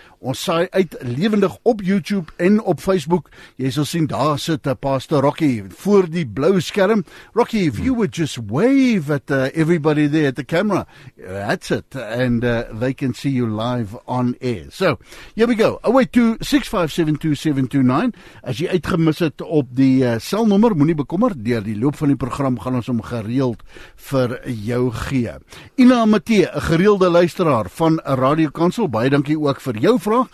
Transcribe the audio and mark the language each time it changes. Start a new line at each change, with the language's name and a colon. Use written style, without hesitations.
Afrikaans: Ons saai uit lewendig op YouTube en op Facebook. Jy sal sien daar sit Pastor Rocky voor die blou skerm.
English: Rocky, if you would just wave at everybody there at the camera, that's it. And they can see you live on air. So, here we go. 082-657-2729.
Afrikaans: As jy uitgemis het op die selnommer, moenie bekommer. Deur die loop van die program gaan ons hom gereeld vir jou gee. Ina Matee, 'n gereelde luisteraar van Radio Kansel. Baie dankie ook vir jou vraag.